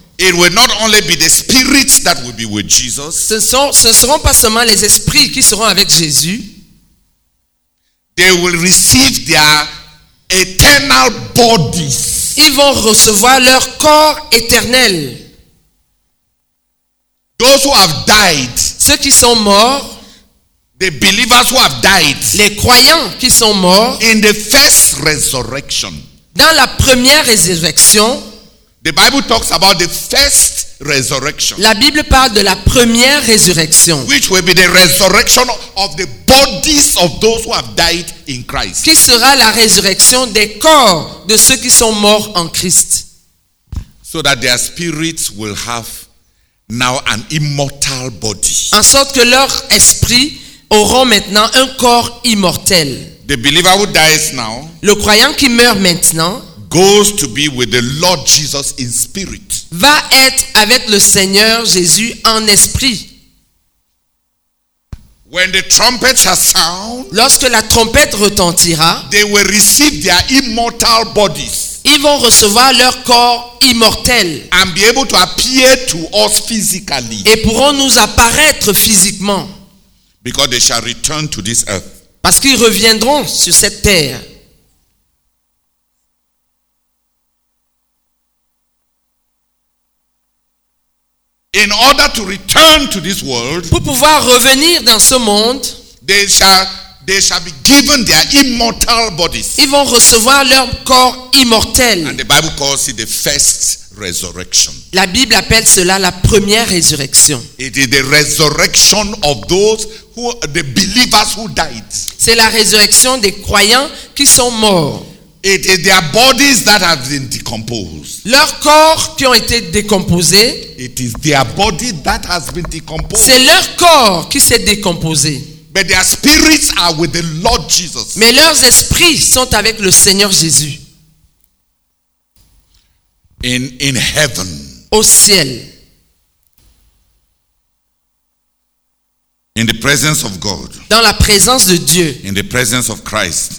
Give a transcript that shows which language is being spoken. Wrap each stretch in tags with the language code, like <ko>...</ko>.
<en>It will not only be the spirits that will be with Jesus.</en> <fr>Ce ne seront pas seulement les esprits qui seront avec Jésus.</fr> <en>They will receive their eternal bodies.</en> <fr>Ils vont recevoir leur corps éternel.</fr> <en>Those who have died.</en> <fr>Ceux qui sont morts.</fr> <en>The believers who have died.</en> <fr>Les croyants qui sont morts.</fr> <en>In the first resurrection.</en> <fr>Dans la première résurrection.</fr> <en>The Bible talks about the first resurrection.</en> <fr>La Bible parle de la première résurrection.</fr> <en>Which will be the resurrection of the bodies of those who have died in Christ.</en> <fr>Qui sera la résurrection des corps de ceux qui sont morts en Christ.</fr> <en>So that their spirits will have now an immortal body.</en> <fr>En sorte que leur esprit auront maintenant un corps immortel.</fr> <en>The believer who dies now.</en> <fr>Le croyant qui meurt maintenant.</fr> <en>Goes to be with the Lord Jesus in spirit.</en> <fr>Va être avec le Seigneur Jésus en esprit.</fr> <en>When the trumpet shall sound,</en> <fr>lorsque la trompette retentira,</fr> <en>they will receive their immortal bodies.</en> <fr>Ils vont recevoir leur corps immortel.</fr> <en>And be able to appear to us physically.</en> <fr>Et pourront nous apparaître physiquement.</fr> <en>Because they shall return to this earth.</en> <fr>Parce qu'ils reviendront sur cette terre.</fr> <en>In order to return to this world,</en> <fr>pour pouvoir revenir dans ce monde,</fr> <en>they shall be given their immortal bodies.</en> <fr>Ils vont recevoir leur corps immortel.</fr> <en>And the Bible calls it the first resurrection.</en> <fr>La Bible appelle cela la première résurrection.</fr> <en>It is the resurrection of those who the believers who died.</en> <fr>C'est la résurrection des croyants qui sont morts.</fr> <en>It is their bodies that have been decomposed.</en> <fr>Leurs corps qui ont été décomposés.</fr> <en>It is their body that has been decomposed.</en> <fr>C'est leur corps qui s'est décomposé.</fr> <en>But their spirits are with the Lord Jesus.</en> <fr>Mais leurs esprits sont avec le Seigneur Jésus.</fr> <en>In heaven.</en> <fr>Au ciel.</fr> <en>In the presence of God.</en> <fr>Dans la présence de Dieu.</fr> <en>In the presence of Christ.</en>